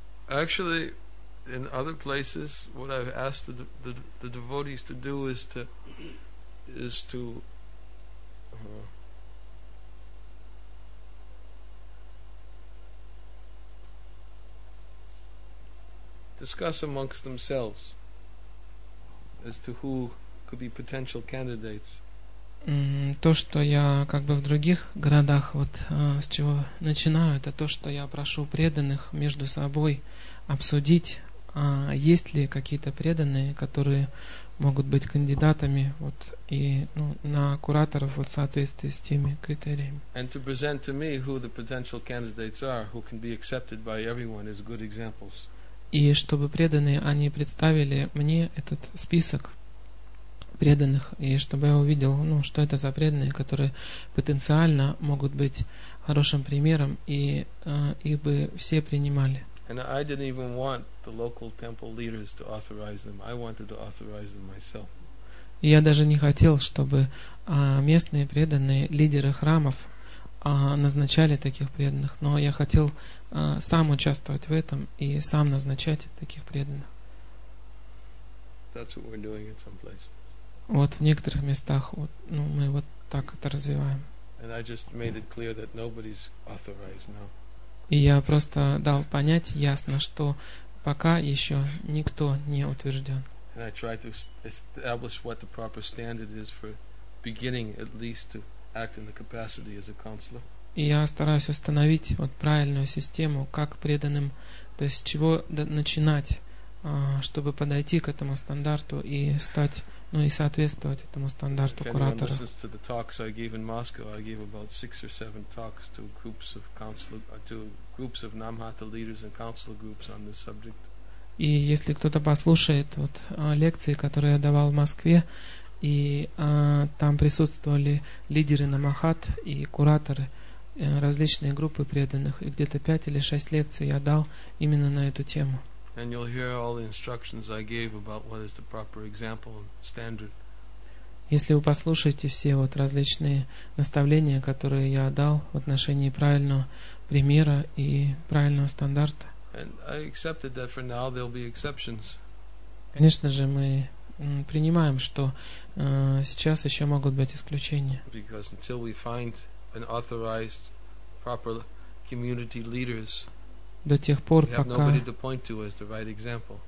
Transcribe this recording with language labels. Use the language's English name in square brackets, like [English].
[English] Actually, in other places, what I've asked the devotees to do is to discuss amongst themselves as to who could be potential candidates. [Russian] То, что я как бы в других городах, вот с чего начинаю, это то, что я прошу преданных между собой обсудить, есть ли какие-то преданные, которые могут быть кандидатами вот, и, ну, на кураторов вот, в соответствии с теми критериями. [English] And to present to me who the potential candidates are, who can be accepted by everyone as good examples. [Russian] И чтобы преданные, они представили мне этот список преданных, и чтобы я увидел, ну, что это за преданные, которые потенциально могут быть хорошим примером, и их бы все принимали. [English] And I didn't even want the local temple leaders to authorize them. I wanted to authorize them myself. [Russian] Я даже не хотел, чтобы местные преданные, лидеры храмов, назначали таких преданных, но я хотел сам участвовать в этом и сам назначать таких преданных. [English] That's what we're doing in some places. [Russian] Вот в некоторых местах вот, ну, мы вот так это развиваем. [English] And I just made it clear that nobody's authorized now. [Russian] И я просто дал понять ясно, что пока еще никто не утвержден. [English] And I tried to establish what the proper standard is for beginning at least to act in the capacity as a counselor. [Russian] И я стараюсь установить вот правильную систему, как преданным, то есть с чего начинать, чтобы подойти к этому стандарту и стать, ну и соответствовать этому стандарту куратора. [English] If anyone listens to the talks I gave in Moscow, I gave about 6 or 7 talks to groups of counselor, to groups of Namhata leaders and counselor groups on this subject. [Russian] И если кто-то послушает вот лекции, которые я давал в Москве, и там присутствовали лидеры Намахат и кураторы различные группы преданных, и где-то 5 или 6 лекций я дал именно на эту тему. [English] And you'll hear all the instructions I gave about what is the proper example and standard. [Russian] Если вы послушаете все вот различные наставления, которые я дал в отношении правильного примера и правильного стандарта. [English] And I accepted that for now there'll be exceptions. [Russian] Конечно же, мы принимаем, что сейчас еще могут быть исключения. [English] Because until we find an authorized proper community leaders, [Russian] до тех пор, [English] we have [Russian] пока [English] nobody to point to as the right example.